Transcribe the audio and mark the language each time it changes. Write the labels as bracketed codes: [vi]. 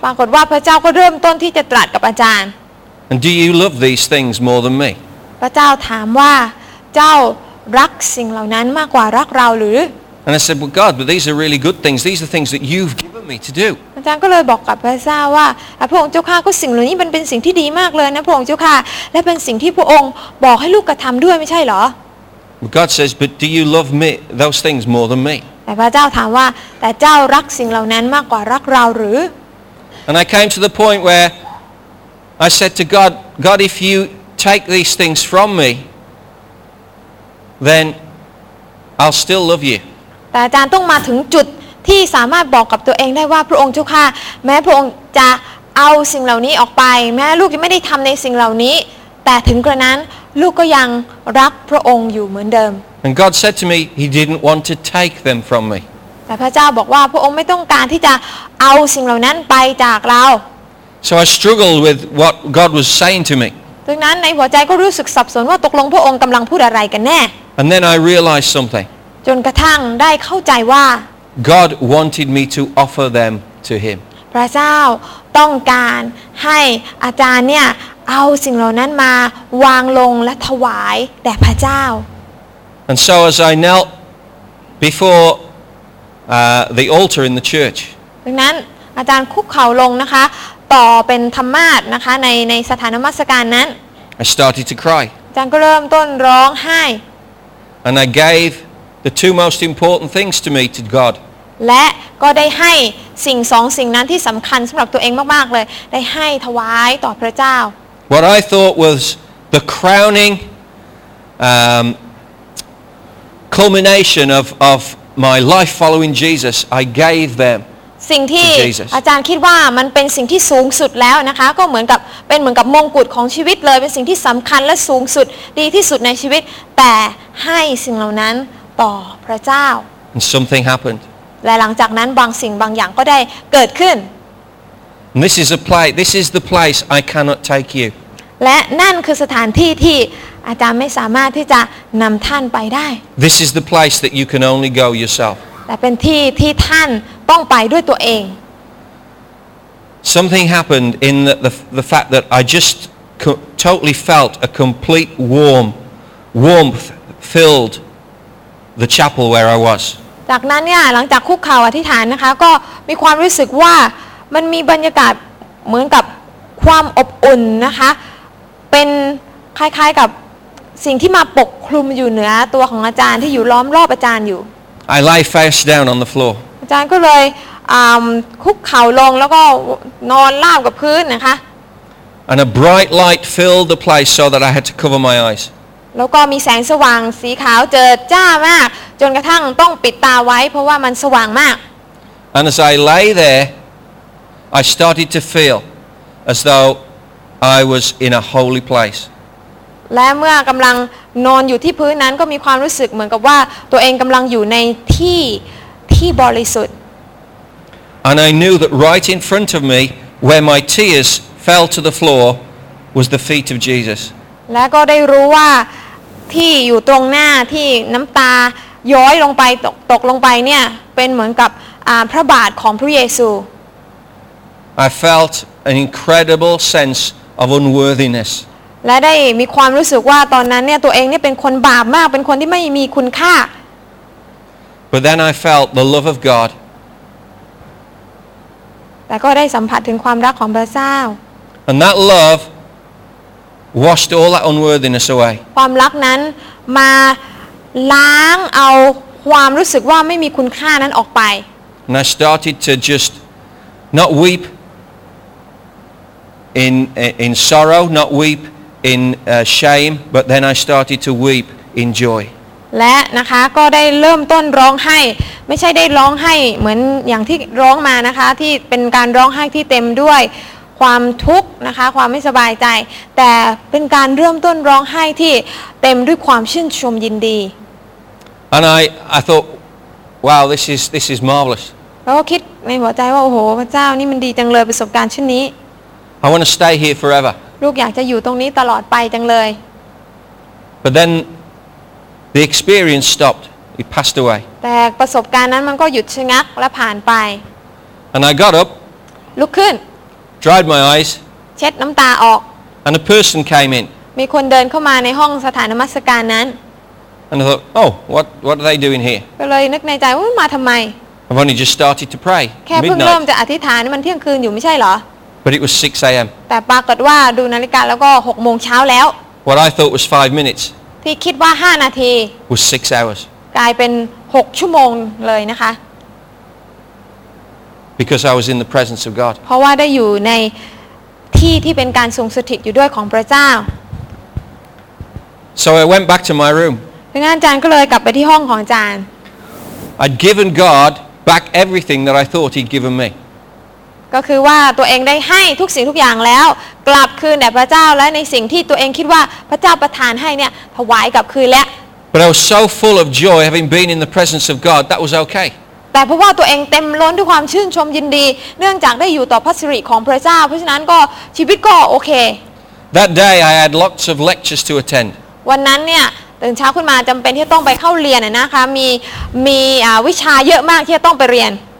[th] ปรากฏว่าพระเจ้าก็เริ่มต้นที่จะตรัสกับอาจารย์ [en] And do you love these things more than me [th] พระเจ้าถามว่าเจ้ารักสิ่งเหล่านั้นมากกว่ารักเราหรือ [en] And I said well God but these are really good things these are things that you've given me to do [th] อาจารย์ก็เลยบอกกับพระเจ้าว่าพระองค์เจ้าข้าก็สิ่งเหล่านี้มันเป็นสิ่งที่ดีมากเลยนะพระองค์เจ้าข้าและเป็นสิ่งที่พระองค์บอกให้ลูกกระทำด้วยไม่ใช่เหรอ [en] God says but do you love me those things more than me [th] แต่พระเจ้าถามว่าแต่เจ้ารักสิ่งเหล่านั้นมากกว่ารักเราหรือ [en] And I came to the point where I said to God God if you take these things from me then I'll still love you [th] แต่อาจารย์ต้องมาถึงจุดที่สามารถบอกกับตัวเองได้ว่าพระองค์เจ้าค่ะแม้พระองค์จะเอาสิ่งเหล่านี้ออกไปแม้ลูกยังไม่ได้ทำในสิ่งเหล่านี้แต่ถึงกระนั้นลูกก็ยังรักพระองค์อยู่เหมือนเดิม [en] And God said to me he didn't want to take them from me [th] แต่พระเจ้าบอกว่าพระองค์ไม่ต้องการที่จะเอาสิ่งเหล่านั้นไปจากเรา [en] So I struggled with what God was saying to me [th] ดังนั้นในหัวใจก็รู้สึกสับสนว่าตกลงพระองค์กำลังพูดอะไรกันแน่ [en] And then I realized something [th] จนกระทั่งได้เข้าใจว่า [en] God wanted me to offer them to him. [th] พระเจ้าต้องการให้อาจารย์เนี่ยเอาสิ่งเหล่านั้นมาวางลงและถวายแด่พระเจ้า [en] And so as I knelt before the altar in the church. [th] ดังนั้นอาจารย์คุกเข่าลงนะคะต่อเป็นธรรมาสน์นะคะในสถานนมัสการนั้น [en] I started to cry. [th] อาจารย์ก็เริ่มต้นร้องไห้ [en] And I gave the two most important things to me to God [th] และก็ได้ให้สิ่งสองสิ่งนั้นที่สำคัญสำหรับตัวเองมากๆเลยได้ให้ถวายต่อพระเจ้า [en] What I thought was the crowning culmination of my life following Jesus I gave them [th] สิ่งที่ อาจารย์คิดว่ามันเป็นสิ่งที่สูงสุดแล้วนะคะก็เหมือนกับมงกุฎของชีวิตเลยเป็นสิ่งที่สำคัญและสูงสุดดีที่สุดในชีวิตแต่ให้สิ่งเหล่านั้นต่อพระเจ้า [en] And something happened [th] และหลังจากนั้นบางสิ่งบางอย่างก็ได้เกิดขึ้น [en] And this is the place I cannot take you [th] และนั่นคือสถานที่ที่อาจารย์ไม่สามารถที่จะนำท่านไปได้ [en] This is the place that you can only go yourself [th] และเป็นที่ที่ท่านต้องไปด้วยตัวเอง [en] Something happened in the fact that I just totally felt a complete warmth filledthe chapel where I was [th] จากนั้นเนี่ยหลังจากคุกเข่าอธิษฐานนะคะก็มีความรู้สึกว่ามันมีบรรยากาศเหมือนกับความอบอุ่นนะคะเป็นคล้ายๆกับสิ่งที่มาปกคลุมอยู่เหนือตัวของอาจารย์ที่อยู่ล้อมรอบอาจารย์อยู่ [en] I lay face down on the floor [th] อาจารย์ก็เลยคุกเข่าลงแล้วก็นอนราบกับพื้นนะคะ [en] And a bright light filled the place so that I had to cover my eyes [th] แล้วก็มีแสงสว่างสีขาวเจิดจ้ามากจนกระทั่งต้องปิดตาไว้เพราะว่ามันสว่างมาก [en] And as I lay there I started to feel as though I was in a holy place [th] และเมื่อกำลังนอนอยู่ที่พื้นนั้นก็มีความรู้สึกเหมือนกับว่าตัวเองกำลังอยู่ในที่บริสุทธิ์ [en] And I knew that right in front of me where my tears fell to the floor was the feet of Jesus. [th] และก็ได้รู้ว่าที่อยู่ตรงหน้าที่น้ำตาย้อยลงไปตกลงไปเนี่ยเป็นเหมือนกับพระบาทของพระเยซู [en] I felt an incredible sense of unworthiness. [th] และได้มีความรู้สึกว่าตอนนั้นเนี่ยตัวเองเนี่ยเป็นคนบาปมากเป็นคนที่ไม่มีคุณค่า [en] But then I felt the love of God. [th] แต่ก็ได้สัมผัสถึงความรักของพระเจ้า [en] And that love washed all that unworthiness away. [th] ความรักนั้นมาล้างเอาความรู้สึกว่าไม่มีคุณค่านั้นออกไป [en] And I started to just not weep in sorrow, not weep in shame, but then I started to weep in joy. [th] และนะคะก็ได้เริ่มต้นร้องไห้ไม่ใช่ได้ร้องไห้เหมือนอย่างที่ร้องมานะคะที่เป็นการร้องไห้ที่เต็มด้วยความทุกข์นะคะความไม่สบายใจแต่เป็นการเริ่มต้นร้องไห้ที่เต็มด้วยความชื่นชมยินดี [en] And I thought wow this is marvelous [th] แล้วก็คิดในหัวใจว่าโอ้โหพระเจ้านี่มันดีจังเลยประสบการณ์เช่นนี้ [en] I want to stay here forever [th] ลูกอยากจะอยู่ตรงนี้ตลอดไปจังเลย [en] But then the experience stopped it passed away [th] แต่ประสบการณ์นั้นมันก็หยุดชะงักและผ่านไป [en] And I got up [th] ลุกขึ้น [en] Dried my eyes. [th] เช็ดน้ำตาออก [en] And a person came in. [th] มีคนเดินเข้ามาในห้องสถานนมัสการนั้น [en] And I thought, oh, what are they doing here? [th] ก็เลยนึกในใจว่ามาทำไม [en] I've only just started to pray. [th] แค่เพิ่งเริ่มจะอธิษฐานมันเที่ยงคืนอยู่ไม่ใช่เหรอ [en] But it was 6 a.m. [th] แต่ปรากฏว่าดูนาฬิกาแล้วก็หกโมงเช้าแล้ว [en] What I thought was 5 minutes. [th] ที่คิดว่า5 นาที [en] Was 6 hours. [th] กลายเป็น6 ชั่วโมงเลยนะคะ [en] Because I was in the presence of God. [th] เพราะว่าได้อยู่ในที่ที่เป็นการทรงสถิตอยู่ด้วยของพระเจ้า [en] So I went back to my room. [th] ดังนั้นอาจารย์ก็เลยกลับไปที่ห้องของอาจารย์ [en] I'd given God back everything that I thought He'd given me. [th] ก็คือว่าตัวเองได้ให้ทุกสิ่งทุกอย่างแล้วกลับคืนแด่พระเจ้าและในสิ่งที่ตัวเองคิดว่าพระเจ้าประทานให้เนี่ยถวายกลับคืนแล้ว [en] But I was so full of joy having been in the presence of God that was okay. [th] แต่เพราะว่าตัวเองเต็มล้นด้วยความชื่นชมยินดีเนื่องจากได้อยู่ต่อพระสิริของพระเจ้าเพราะฉะนั้นก็ชีวิตก็โอเค [en] That day I had lots of lectures to attend [th] วันนั้นเนี่ยตื่นเช้าขึ้นมาจำเป็นที่ต้องไปเข้าเรียนนะคะมีวิชาเยอะมากที่จะต้องไปเรียน